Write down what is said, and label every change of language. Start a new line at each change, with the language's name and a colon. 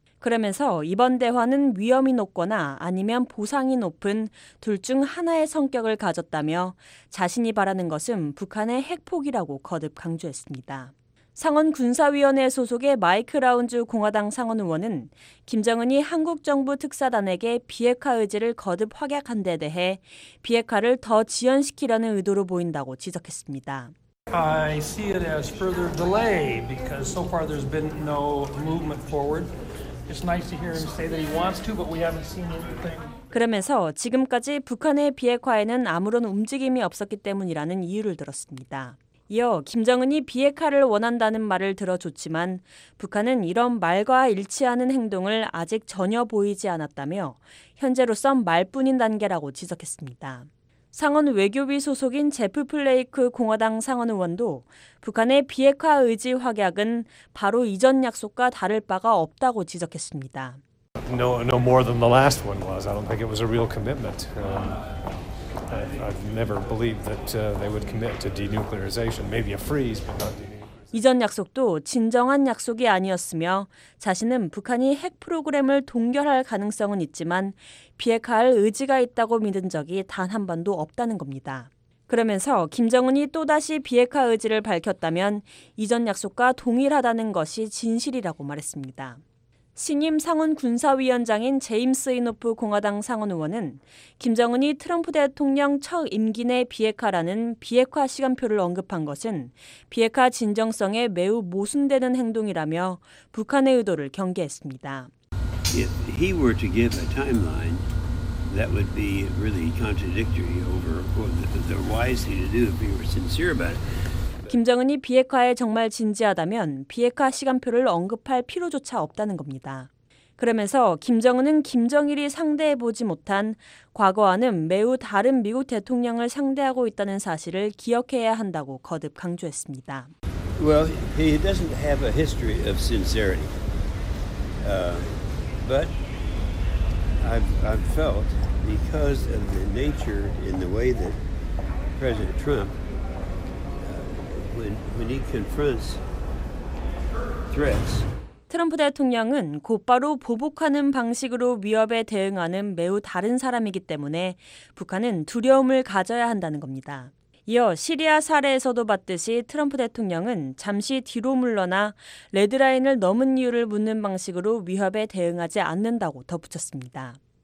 Korean: 그러면서 이번 대화는 위험이 높거나 아니면 보상이 높은 둘 중 하나의 성격을 가졌다며 자신이 바라는 것은 북한의 핵폭이라고 거듭 강조했습니다. 상원 군사위원회 소속의 마이크 라운즈 공화당 상원 의원은 김정은이 한국 정부 특사단에게 비핵화 의지를 거듭 확약한 데 대해 비핵화를 더 지연시키려는 의도로 보인다고 지적했습니다.
English: I see it as further delay because so far there's been no movement forward. It's nice to hear him say that he wants to, but we haven't seen anything.
Korean: 그러면서 지금까지 북한의 비핵화에는 아무런 움직임이 없었기 때문이라는 이유를 들었습니다. 이어 김정은이 비핵화를 원한다는 말을 들어 좋지만 북한은 이런 말과 일치하는 행동을 아직 전혀 보이지 않았다며 현재로선 말뿐인 단계라고 지적했습니다. 상원 외교비 소속인 제프 플레이크 공화당 상원 의원도 북한의 비핵화 의지 확약은 바로 이전 약속과 다를 바가 없다고 지적했습니다.
English: No more than the last one was. I don't think it was a real commitment. I've never believed that they would commit to denuclearization. Maybe a freeze, but not denuclearization.
Korean: 이전 약속도 진정한 약속이 아니었으며 자신은 북한이 핵 프로그램을 동결할 가능성은 있지만 비핵화할 의지가 있다고 믿은 적이 단 한 번도 없다는 겁니다. 그러면서 김정은이 또다시 비핵화 의지를 밝혔다면 이전 약속과 동일하다는 것이 진실이라고 말했습니다. 신임 상원 군사위원장인 제임스 이노프 공화당 상원 의원은 김정은이 트럼프 대통령 첫 임기 내 비핵화라는 비핵화 시간표를 언급한 것은 비핵화 진정성에 매우 모순되는 행동이라며 북한의 의도를 경계했습니다.
English: If he were to give a timeline, that would be really contradictory over the wise thing to do if you were sincere about it.
Korean: 김정은이 비핵화에 정말 진지하다면 비핵화 시간표를 언급할 필요조차 없다는 겁니다. 그러면서 김정은은 김정일이 상대해보지 못한 과거와는 매우 다른 미국 대통령을 상대하고 있다는 사실을 기억해야 한다고 거듭 강조했습니다.
English: Well, he doesn't have a history of sincerity. But I've felt because of the nature in the way that President Trump when he confronts threats
Korean: 트럼프 대통령은 곧바로 보복하는 방식으로 위협에 대응하는 매우 다른 사람이기 때문에 북한은 두려움을 가져야 한다는 겁니다. 이어 시리아 사례에서도 봤듯이 트럼프 대통령은 잠시 뒤로 물러나 레드라인을 넘은 이유를 묻는 방식으로 위협에 대응하지 않는다고 덧붙였습니다.